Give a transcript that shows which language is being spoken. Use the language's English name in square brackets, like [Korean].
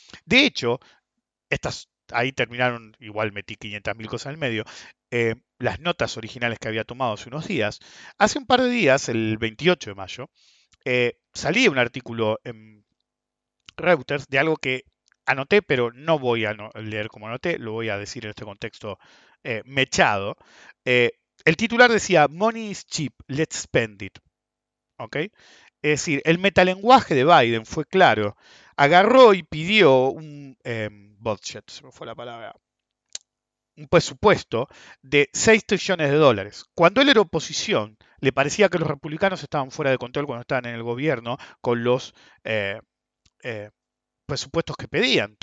[Spanish] De hecho, ahí terminaron, igual metí 500.000 cosas en el medio, las notas originales que había tomado hace unos días. Hace un par de días, el 28 de mayo, salía un artículo en Reuters de algo que anoté, pero no voy a no leer como anoté, lo voy a decir en este contexto mechado. El titular decía, [English] Money is cheap, let's spend it. ¿Okay? [Spanish] Es decir, el metalenguaje de Biden fue claro. Agarró y pidió un budget, se me fue la palabra, un presupuesto de 6 trillones de dólares. Cuando él era oposición, le parecía que los republicanos estaban fuera de control cuando estaban en el gobierno con los presupuestos que pedían.